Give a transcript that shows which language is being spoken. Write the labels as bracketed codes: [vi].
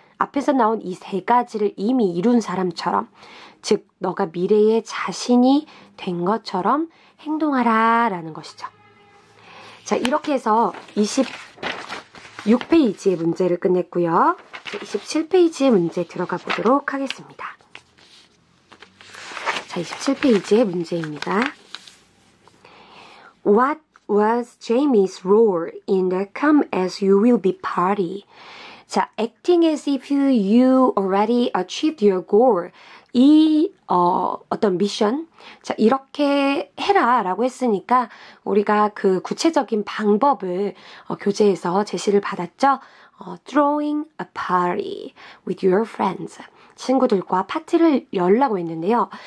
[ko] 앞에서 나온 이세 가지를 이미 이룬 사람처럼. 즉, 너가 미래의 자신이 된 것처럼 행동하라. 라는 것이죠. 자, 이렇게 해서 26페이지의 문제를 끝냈고요. 27페이지의 문제 들어가 보도록 하겠습니다. 자, 27페이지의 문제입니다. [en] What was Jamie's role in the Come As You Will Be Party? 자, acting as if you already achieved your goal. [ko] 어떤 미션? 자, 이렇게 해라라고 했으니까 우리가 그 구체적인 방법을 교재에서 제시를 받았죠. [en] Throwing a party with your friends. [ko] 친구들과 파티를 열라고 했는데요.